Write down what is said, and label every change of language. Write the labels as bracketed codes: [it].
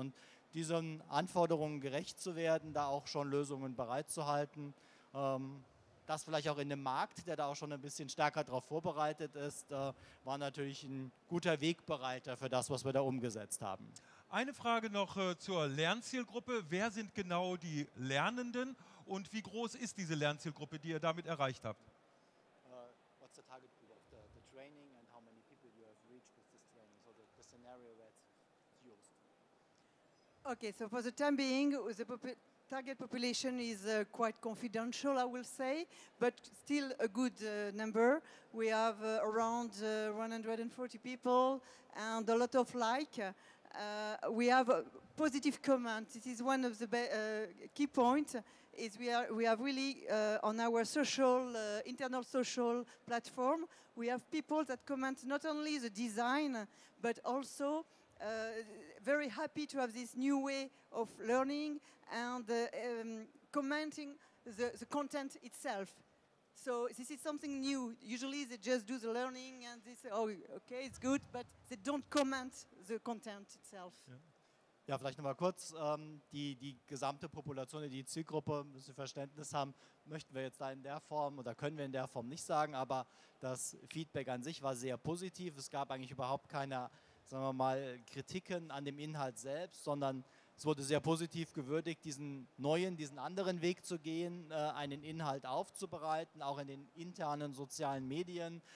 [de] Und diesen Anforderungen gerecht zu werden, da auch schon Lösungen bereitzuhalten, das vielleicht auch in dem Markt, der da auch schon ein bisschen stärker darauf vorbereitet ist, war natürlich ein guter Wegbereiter für das, was wir da umgesetzt haben. Eine Frage noch zur Lernzielgruppe. Wer sind genau die Lernenden und wie groß ist diese Lernzielgruppe, die ihr damit erreicht habt? [en] What's the target group of the training and how many people you have reached with this training? So the scenario that's used. Okay, so for the time being, the target population is quite confidential, I will say, but still a good number. We have around 140 people and a lot of like. We have positive comments. This is one of the key points. Is we have really on our social internal social platform. We have people that comment not only the design, but also very happy to have this new way of learning and commenting the content itself. So this is something new. Usually they just do the learning and they say, oh, okay, it's good, but they don't comment the content itself. [de] Ja, vielleicht nochmal kurz. Die gesamte Population, die Zielgruppe, müssen Sie Verständnis haben, möchten wir jetzt da in der Form oder können wir in der Form nicht sagen, aber das Feedback an sich war sehr positiv. Es gab eigentlich überhaupt keine, sagen wir mal, Kritiken an dem Inhalt selbst, sondern es wurde sehr positiv gewürdigt, diesen anderen Weg zu gehen, einen Inhalt aufzubereiten, auch in den internen sozialen Medien.